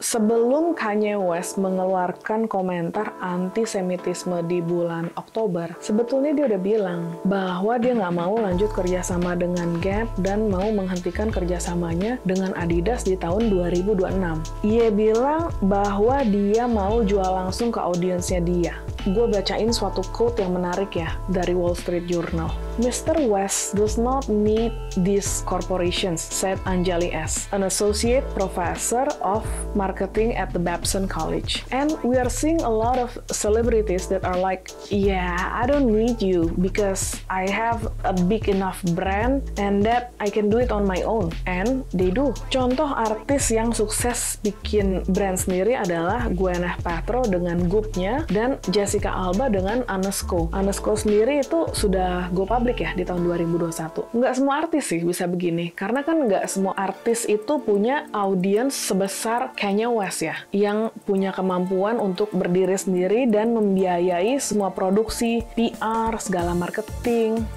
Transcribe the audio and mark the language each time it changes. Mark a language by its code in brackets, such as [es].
[id] Sebelum Kanye West mengeluarkan komentar antisemitisme di bulan Oktober, sebetulnya dia udah bilang bahwa dia nggak mau lanjut kerjasama dengan Gap dan mau menghentikan kerjasamanya dengan Adidas di tahun 2026. Ia bilang bahwa dia mau jual langsung ke audiensnya dia. Gue bacain suatu quote yang menarik ya dari Wall Street Journal. [en] Mr. West does not need these corporations, said Anjali S., an associate professor of marketing at the Babson College. And we are seeing a lot of celebrities that are like, yeah, I don't need you because I have a big enough brand and that I can do it on my own. And they do. [id] Contoh artis yang sukses bikin brand sendiri adalah Gwyneth Paltrow dengan Goop-nya dan Jessica Alba dengan Anesco. Anesco sendiri itu sudah go public ya di tahun 2021. Nggak semua artis sih bisa begini, karena kan nggak semua artis itu punya audiens sebesar Kanye West ya, yang punya kemampuan untuk berdiri sendiri dan membiayai semua produksi, PR, segala marketing.